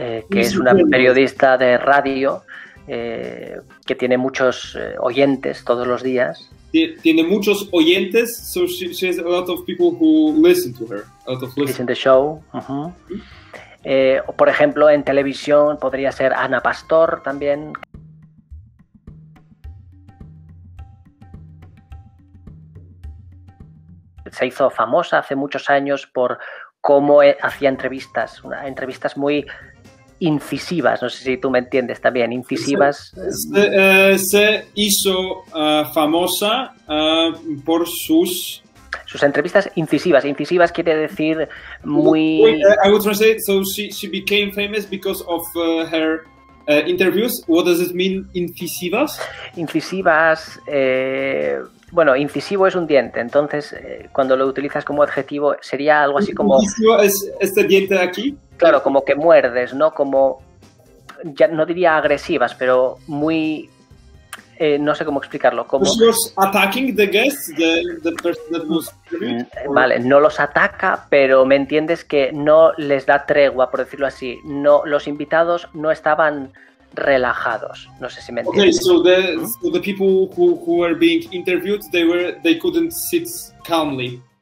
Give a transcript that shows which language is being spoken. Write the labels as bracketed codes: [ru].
[es] Que es una periodista de radio que tiene muchos oyentes todos los días. Tiene muchos oyentes, [en] so she has a lot of people who listen to her, a lot of listen to the show. Uh-huh. [es] Por ejemplo, en televisión podría ser Ana Pastor también. Se hizo famosa hace muchos años por cómo hacía entrevistas, entrevistas muy incisivas, no sé si tú me entiendes también, incisivas. Se hizo famosa por sus... Sus entrevistas incisivas. Incisivas quiere decir muy... [en] I would translate, so she became famous because of her interviews. What does it mean, incisivas? [es] Incisivas... Bueno, incisivo es un diente, entonces cuando lo utilizas como adjetivo sería algo así como... ¿Incisivo es este diente de aquí? Claro, como que muerdes, ¿no? Como, ya, no diría agresivas, pero muy... no sé cómo explicarlo, como... [en] ¿She was attacking the guest, the person that was interviewed? [es] Vale, no los ataca, pero me entiendes que no les da tregua, por decirlo así. No, los invitados no estaban... relajados, no sé si me entiendes. [en] Okay, so the people who were being interviewed, they couldn't sit calmly.